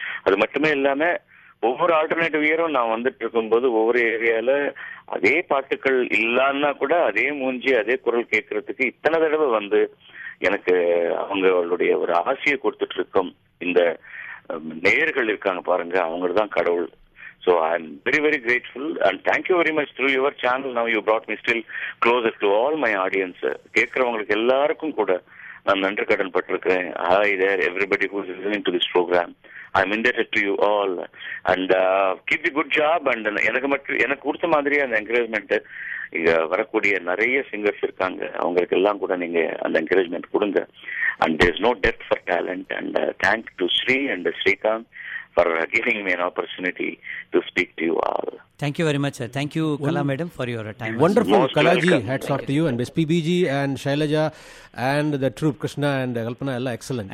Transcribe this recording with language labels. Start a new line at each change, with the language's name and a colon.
Tamil: அது மட்டுமே இல்லாம ஒவ்வொரு ஆல்டர்னேட்டிவ் இயரும் நான் வந்துட்டு இருக்கும் போது ஒவ்வொரு ஏரியால அதே பாட்டுகள் இல்லைன்னா கூட அதே மூஞ்சி அதே குரல் கேட்கறதுக்கு இத்தனை தடவை வந்து எனக்கு அவங்களுடைய ஒரு ஆசையை கொடுத்துட்டு இருக்கும் இந்த நேயர்கள் இருக்காங்க பாருங்க, அவங்க தான் கடவுள்.
English: So I'm very, very grateful and thank you very much through your channel. Now you brought me still closer to all my audience.
Tamil: கேட்கிறவங்களுக்கு எல்லாருக்கும் கூட நான் நன்றி கடன் பட்டிருக்கேன்.
English: Hi there, everybody who is listening to this program. I'm indebted to you all. And keep the good job.
Tamil: And எனக்கு மட்டும் எனக்கு கொடுத்த மாதிரியே அந்த என்கரேஜ்மெண்ட் வரக்கூடிய நிறைய சிங்கர்ஸ் இருக்காங்க, அவங்களுக்கு எல்லாம் கூட நீங்கள் அந்த என்கரேஜ்மெண்ட் கொடுங்க.
English: And there's no depth for talent. And thank to Sri and Srikant for giving me an opportunity to speak to you all. Thank you very much, sir. Thank you, Kala madam, for your time. Wonderful. Kala ji, hats off to you. And SPBG and Shailaja and the troop, Krishna and Kalpana, all excellent.